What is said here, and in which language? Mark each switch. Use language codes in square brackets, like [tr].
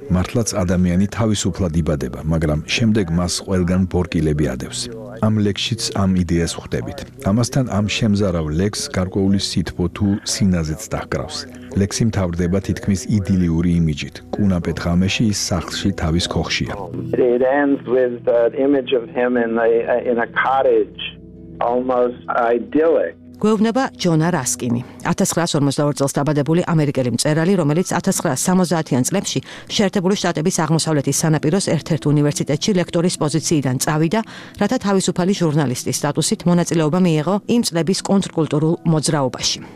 [ka] მართლაც ადამიანი თავისუფლად იბადება, მაგრამ შემდეგ მას ყველგან ბორკილები ადევს. ამ ლექსშიც ამ იდეას ხვდებით. ამასთან ამ შემზარავ ლექსს გარკვეული სითბო თუ სინაზეც დაჰკრავს. ლექსი მთავრდება თითქმის იდილიური იმიჯით. კუნა პეტღამეში ის სახლში თავის ქოხშია. [en] It ends with the image of him in a cottage, almost idyllic. [ka] გვეუბნება ჯონა რასკინი, 1942 წელს დაბადებული ამერიკელი მწერალი, რომელიც 1970-იან წლებში შეერთებული შტატების აღმოსავლეთის სანაპიროს ერთ-ერთ უნივერსიტეტში ლექტორის პოზიციიდან წავიდა, რათა თავისუფალი ჟურნალისტის სტატუსით მონაწილეობა მიეღო იმ წლების კონტრკულტურულ მოძრაობაში.